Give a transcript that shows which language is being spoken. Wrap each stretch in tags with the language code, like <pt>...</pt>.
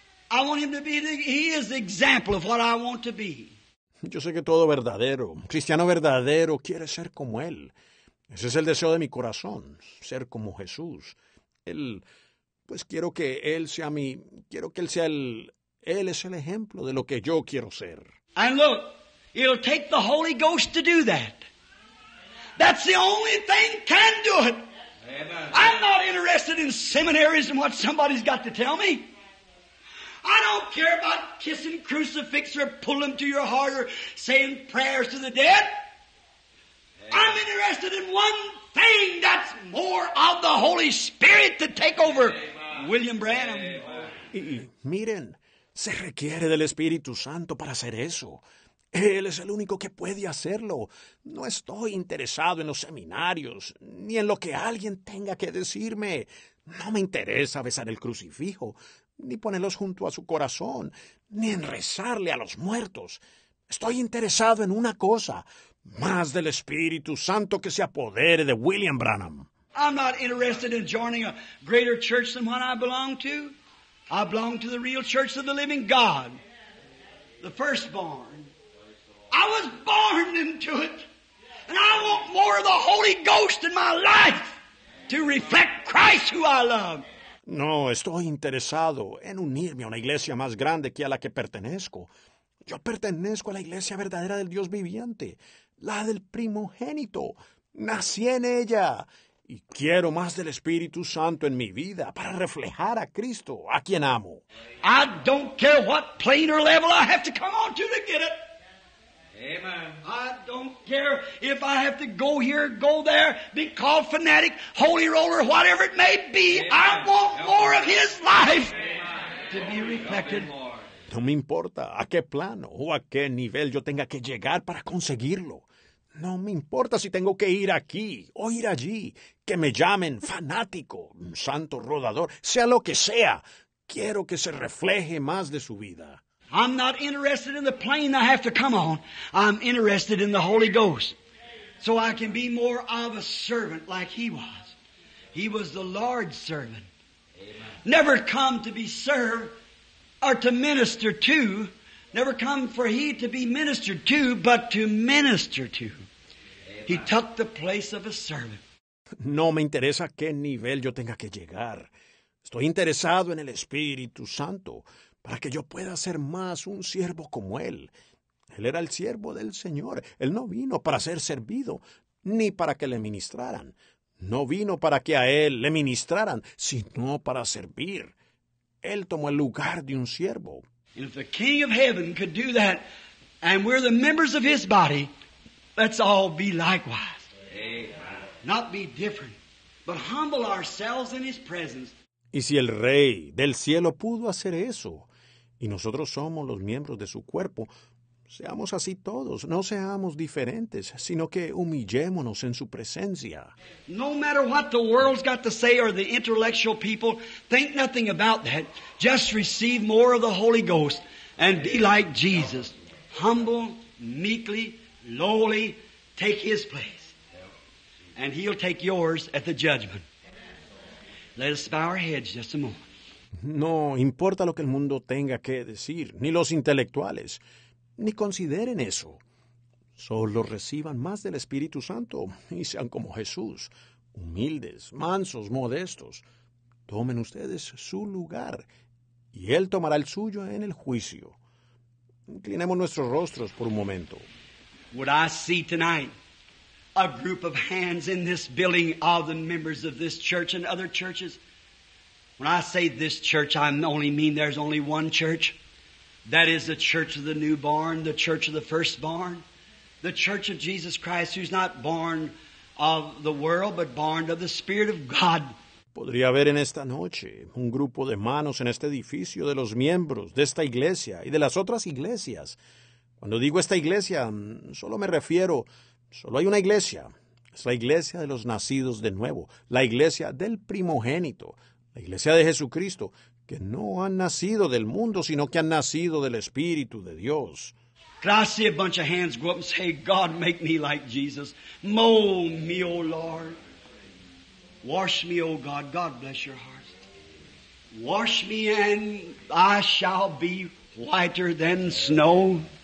<en>He is the example of what I want to be.</en> <es>Yo sé que todo verdadero, cristiano verdadero, quiere ser como Él. Ese es el deseo de mi corazón, ser como Jesús. Él, pues quiero que Él sea mi, quiero que Él sea el, Él es el ejemplo de lo que yo quiero ser.</es> <en>And look, it'll take the Holy Ghost to do that. That's the only thing can do it. Amen. I'm not interested in seminaries and what somebody's got to tell me. I don't care about kissing crucifix or pulling them to your heart or saying prayers to the dead. Amen. I'm interested in one thing, that's more of the Holy Spirit to take over. Amen. William Branham.</en> <es>Y miren, se requiere del Espíritu Santo para hacer eso. Él es el único que puede hacerlo. No estoy interesado en los seminarios, ni en lo que alguien tenga que decirme. No me interesa besar el crucifijo, ni ponerlos junto a su corazón, ni en rezarle a los muertos. Estoy interesado en una cosa, más del Espíritu Santo que se apodere de William Branham.</es> <en>I'm not interested in joining a greater church than what I belong to. I belong to the real church of the living God, the firstborn. I was born into it, and I want more of the Holy Ghost in my life to reflect Christ who I love.</en> <es>No, estoy interesado en unirme a una iglesia más grande que a la que pertenezco. Yo pertenezco a la iglesia verdadera del Dios viviente, la del primogénito. Nací en ella, y quiero más del Espíritu Santo en mi vida para reflejar a Cristo, a quien amo.</es> <en>I don't care what plane or level I have to come on to get it. Amen. I don't care if I have to go here, go there, be called fanatic, holy roller, whatever it may be. Amen. I want more of His life. Amen. To be reflected.</en> <es>No me importa a qué plano o a qué nivel yo tenga que llegar para conseguirlo. No me importa si tengo que ir aquí o ir allí, que me llamen fanático, un santo rodador, sea lo que sea. Quiero que se refleje más de su vida.</es> <en>I'm not interested in the plane I have to come on. I'm interested in the Holy Ghost. So I can be more of a servant like He was. He was the Lord's servant. Amen. Never come to be served or to minister to. Never come for He to be ministered to, but to minister to. Amen. He took the place of a servant.</en> <es>No me interesa qué nivel yo tenga que llegar. Estoy interesado en el Espíritu Santo, para que yo pueda ser más un siervo como Él. Él era el siervo del Señor. Él no vino para ser servido, ni para que le ministraran. No vino para que a Él le ministraran, sino para servir. Él tomó el lugar de un siervo.</es> <en>And if the King of Heaven could do that, and we're the members of His body, let's all be likewise. Amen. Not be different, but humble ourselves in His presence.</en> <es>Y si el Rey del Cielo pudo hacer eso, y nosotros somos los miembros de su cuerpo, seamos así todos, no seamos diferentes, sino que humillémonos en su presencia.</es> <en>No matter what the world's got to say or the intellectual people, think nothing about that. Just receive more of the Holy Ghost and be like Jesus. Humble, meekly, lowly, take His place. And He'll take yours at the judgment. Let us bow our heads just a moment.</en> <es>No importa lo que el mundo tenga que decir, ni los intelectuales, ni consideren eso. Solo reciban más del Espíritu Santo y sean como Jesús, humildes, mansos, modestos. Tomen ustedes su lugar y Él tomará el suyo en el juicio. Inclinemos nuestros rostros por un momento.</es> <en>What I see tonight, a group of hands in this building, all the members of this church and other churches. When I say this church, I only mean there's only one church. That is the church of the new barn, the church of the first barn, the church of Jesus Christ, who's not born of the world, but born of the Spirit of God.</en> <es>Podría haber en esta noche un grupo de manos en este edificio de los miembros de esta iglesia y de las otras iglesias. Cuando digo esta iglesia, solo me refiero, solo hay una iglesia. Es la iglesia de los nacidos de nuevo, la iglesia del primogénito, la iglesia de Jesucristo, que no han nacido del mundo, sino que han nacido del Espíritu de Dios.</es> <en>Could I see a bunch of hands go up and say, God, make me like Jesus. Mold me, O Lord. Wash me, O God. God bless your hearts. Wash me and I shall be whiter than snow.</en>